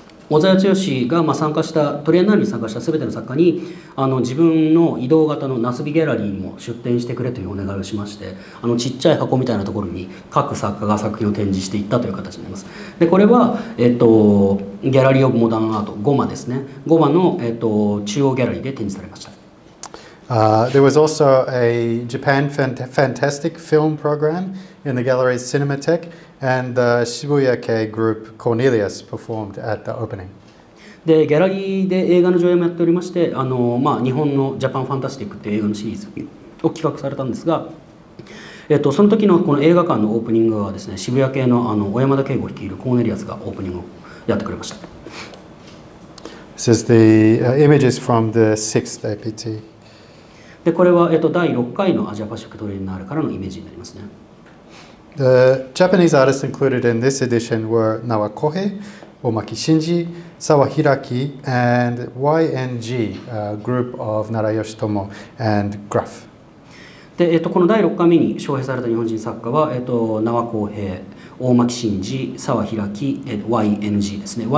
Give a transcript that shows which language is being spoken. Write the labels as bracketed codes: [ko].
[ja] 小沢剛が参加したトリエンナーレに参加した全ての作家に自分の移動型のナスビギャラリーにも出展してくれというお願いをしまして、ちっちゃい箱みたいなところに各作家が作品を展示していったという形になります。でこれは、ギャラリーオブモダンアートゴマですね、ゴマの、中央ギャラリーで展示されました。 [en] There was also a Japan Fantastic Film Program in the gallery's Cinematheque, and the Shibuya-ke group Cornelius performed at the opening. [ja] で、ギャラリーで映画の上映もやっておりまして、日本の Japan Fantastic っていう映画のシリーズを企画されたんですが、その時のこの映画館のオープニングはですね、Shibuya-ke の小山田圭吾を率いるコーネリアスがオープニングをやってくれました。 [en] This is the images from the 6th APT. [ja] でこれは、第6回のアジアパシフィックトリエンナーレからのイメージになりますね。 [en] The Japanese artists included in this edition were Nawakohe, Omaki Shinji, Sawahiraki, and YNG, a group of Narayoshi Tomo and Graf. [ja] で、この第6回目に招聘された日本人作家は、Nawakohe, Omaki Shinji, Sawahiraki, YNG ですね。